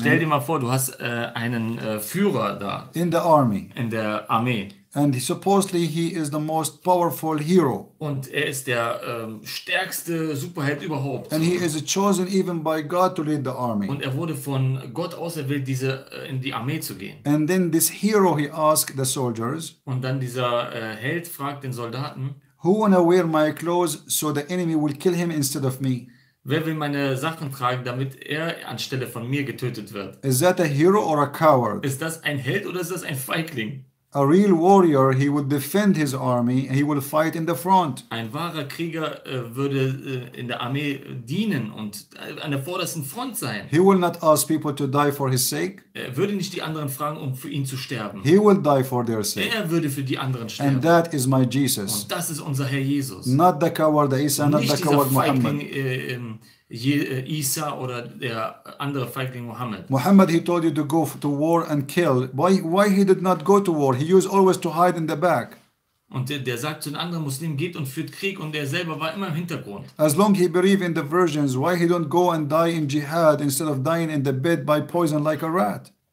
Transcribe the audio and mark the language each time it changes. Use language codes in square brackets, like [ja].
[de] Stell dir mal vor, du hast einen Führer da. [en] In the army. [de] In der Armee. [en] And supposedly he is the most powerful hero. [de] Und ist der stärkste Superheld überhaupt. [en] And he is chosen even by God to lead the army. [de] Und wurde von Gott auserwählt, diese in die Armee zu gehen. [en] And then this hero, he asked the soldiers. [de] Und dann dieser Held fragt den Soldaten. [en] Who wanna wear my clothes so the enemy will kill him instead of me? [de] Wer will meine Sachen tragen, damit anstelle von mir getötet wird? [en] Is that a hero or a coward? [de] Ist das ein Held oder ist das ein Feigling? [en] A real warrior, he would defend his army, he will fight in the front. [de] Ein wahrer Krieger würde in der Armee dienen und an der vordersten Front sein. [en] He will not ask people to die for his sake. [de] Er würde nicht die anderen fragen, um für ihn zu sterben. [en] He will die for their sake. [de] Er würde für die anderen sterben. [en] And that is my Jesus. [de] Und das ist unser Herr Jesus. [en] Not the coward Isa, not the coward Muhammad. [de] Isa oder der andere Feigling Mohammed. [en] Mohammed, he told you to go to war and kill. Why he did not go to war? He used always to hide in the back. [de] Und der sagt zu den anderen Muslimen, geht und führt Krieg, und er selber war immer im Hintergrund. [en] As long he believed in the versions, why he don't go and die in jihad instead of dying in the bed by poison like a rat?